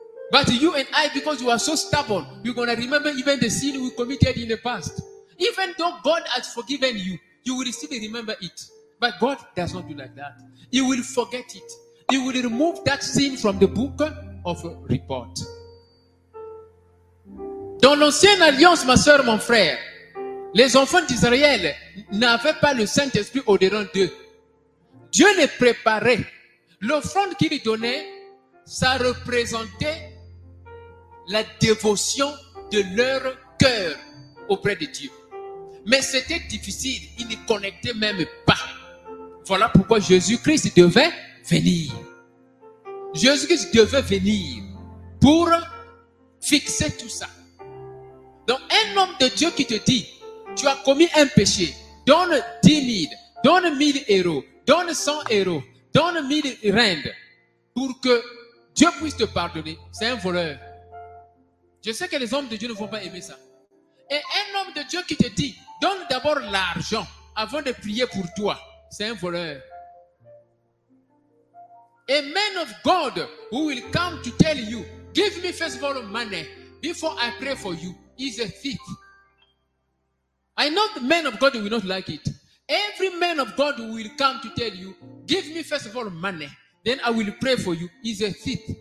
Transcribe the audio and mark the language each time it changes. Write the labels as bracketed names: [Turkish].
[English] But you and I, because you are so stubborn, you're going to remember even the sin we committed in the past. Even though God has forgiven you, you will still remember it. But God does not do like that. He will forget it. He will remove that sin from the book of report. [French] Dans l'ancienne alliance, ma soeur, mon frère, les enfants d'Israël n'avaient pas le Saint-Esprit au-dedans d'eux. Dieu les préparait. L'offrande qu'il donnait, ça représentait la dévotion de leur cœur auprès de Dieu. Mais c'était difficile, ils ne connectaient même pas. Voilà pourquoi Jésus-Christ devait venir. Jésus-Christ devait venir pour fixer tout ça. Donc un homme de Dieu qui te dit, tu as commis un péché, donne 10 000, donne 1000 euros, donne 100 euros, donne 1000 rendes pour que Dieu puisse te pardonner. C'est un voleur. Je sais que les hommes de Dieu ne vont pas aimer ça. Et un homme de Dieu qui te dit, donne d'abord l'argent avant de prier pour toi. C'est un voleur. [English] A man of God who will come to tell you, give me first of all money before I pray for you, is a thief. I know the man of God will not like it. Every man of God who will come to tell you, give me first of all money, then I will pray for you, is a thief.